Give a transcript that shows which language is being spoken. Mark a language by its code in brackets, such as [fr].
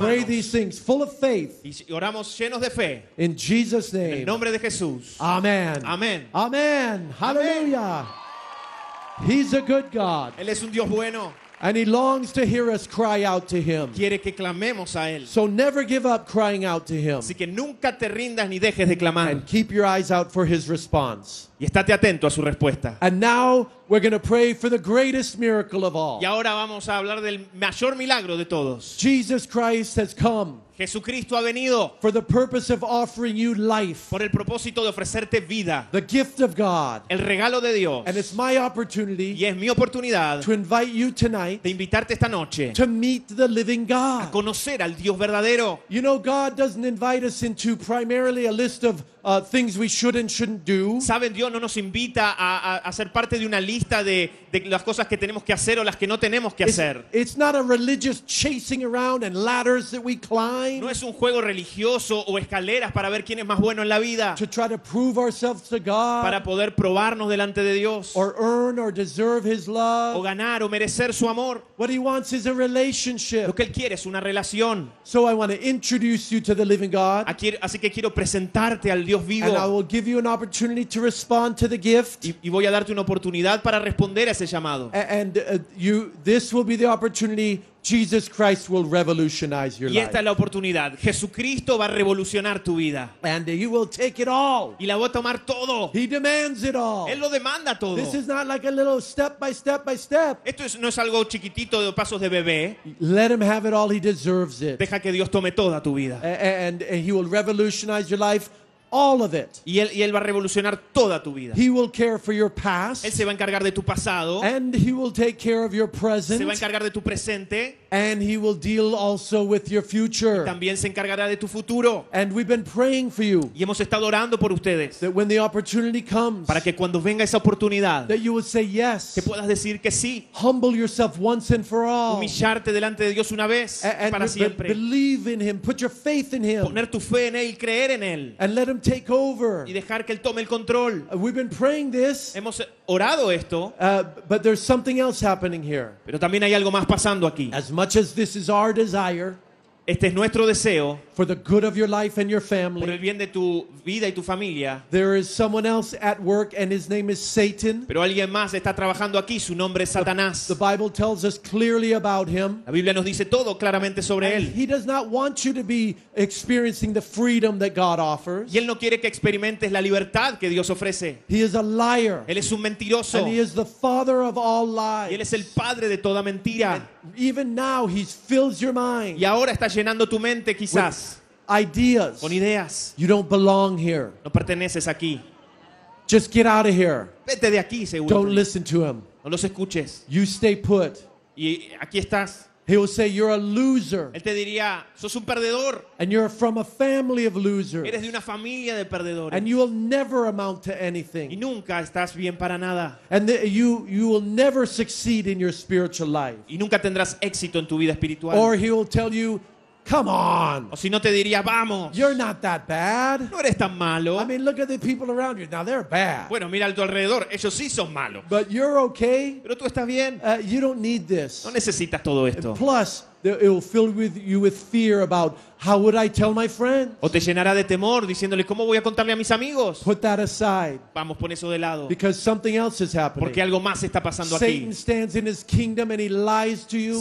[en] And we pray these things full of faith. [es] Y oramos llenos de fe. [en] In Jesus' name. [es] En el nombre de Jesús. [en] Amen. [es] Amen. [en] Amen. Hallelujah. He's a good God. [es] Él es un Dios bueno. [en] And he longs to hear us cry out to him. [es] Quiere que clamemos a él. [en] So never give up crying out to him. [es] Así que nunca te rindas ni dejes de clamar. [en] And keep your eyes out for his response. [es] Y estate atento a su respuesta. [en] And now we're going to pray for the greatest miracle of all. [es] Y ahora vamos a hablar del mayor milagro de todos. [en] Jesus Christ has come. [es] Jesucristo ha venido. [en] For the purpose of offering you life. [es] Por el propósito de ofrecerte vida. [en] The gift of God. [es] El regalo de Dios. [en] And it's my opportunity. [es] Y es mi oportunidad. [en] To invite you tonight. [es] De invitarte esta noche. [en] To meet the living God. [es] A conocer al Dios verdadero. [en] You know, God doesn't invite us into primarily a list of things we should and shouldn't do. [es] Saben, Dios no nos invita a ser parte de una lista de las cosas que tenemos que hacer o las que no tenemos que hacer. [en] It's not a religious chasing around and ladders that we climb. [es] No es un juego religioso o escaleras para ver quién es más bueno en la vida. [en] To try to prove ourselves to God. [es] Para poder probarnos delante de Dios. [en] Or earn or deserve his love. [es] O ganar o merecer su amor. [en] What he wants is a relationship. [es] Lo que él quiere es una relación. [en] So I want to introduce you to the living God. [es] Así que quiero presentarte al Dios vivo. [en] And I will give you an opportunity to respond to the gift. [es] Y voy a darte una oportunidad para responder a ese llamado. [en] This will be the opportunity Jesus Christ will revolutionize your life. [es] Y esta es la oportunidad. Jesucristo va a revolucionar tu vida. [en] And he will take it all. [es] Y la va a tomar todo. [en] He demands it all. [es] Él lo demanda todo. [en] This is not like a little step by step by step. [es] Esto no es algo chiquitito de pasos de bebé. [en] Let him have it all. He deserves it. [es] Deja que Dios tome toda tu vida. [en] And he will revolutionize your life. all of it. [es] Y él va a revolucionar toda tu vida. [en] He will care for your past. [es] Él se va a encargar de tu pasado. [en] And he will take care of your present. [es] Se va a encargar de tu presente. [en] And he will deal also with your future. [es] Y también se encargará de tu futuro. [en] And we've been praying for you. [es] Y hemos estado orando por ustedes. [en] That when the opportunity comes. [es] Para que cuando venga esa oportunidad. [en] That you will say yes. [es] Que puedas decir que sí. [en] Humble yourself once and for all. [es] Humillarte delante de Dios una vez [en] and [es] para siempre. [en] Believe in him. Put your faith in him. [es] Poner tu fe en él y creer en él. [en] And let him take over. [es] Y dejar que él tome el control. [en] We've been praying this. [es] Hemos orado esto. [en] But there's something else happening here. [es] Pero también hay algo más pasando aquí. [en] Much as this is our desire, [es] este es nuestro deseo, [en] for the good of your life and your family, [es] por el bien de tu vida y tu familia, [en] there is someone else at work and his name is Satan. [es] Pero alguien más está trabajando aquí, su nombre es Satanás. [en] The Bible tells us clearly about him. [es] La Biblia nos dice todo claramente sobre él. [en] He does not want you to be experiencing the freedom that God offers. [es] Y él no quiere que experimentes la libertad que Dios ofrece. [en] He is a liar. [es] Él es un mentiroso. [en] And he is the father of all lies. [es] Y él es el padre de toda mentira. [en] Even now he fills your mind. [es] Y ahora está llenando tu mente quizás. [en] With ideas. [es] Con ideas. [en] You don't belong here. [es] No perteneces aquí. [en] Just get out of here. [es] Vete de aquí, seguro. [en] Don't listen to him. [es] No los escuches. [en] You stay put. [es] Y aquí estás. [en] He will say you're a loser. [es] Él te diría, sos un perdedor. [en] And you're from a family of losers. [es] Eres de una familia de perdedores. [en] And you will never amount to anything. [es] Y nunca estás bien para nada. [en] And you will never succeed in your spiritual life. [es] Y nunca tendrás éxito en tu vida espiritual. [en] Or he will tell you, come on. [es] O si no te diría, vamos. [en] You're not that bad. [es] No eres tan malo. [en] I mean, look at the people around you. Now they're bad. [es] Bueno, mira a tu alrededor. Ellos sí son malos. [en] But you're okay. [es] Pero tú estás bien. [en] You don't need this. [es] No necesitas todo esto. [en] And plus, it will fill with you with fear about how would I tell my friends? [es] O te llenará de temor diciéndoles cómo voy a contarle a mis amigos. [en] Put that aside. [es] Vamos, pon eso de lado. [en] Because something else is happening. [es] Porque algo más está pasando [en] Satan [es] aquí. [en] Satan stands in his kingdom and he lies to you.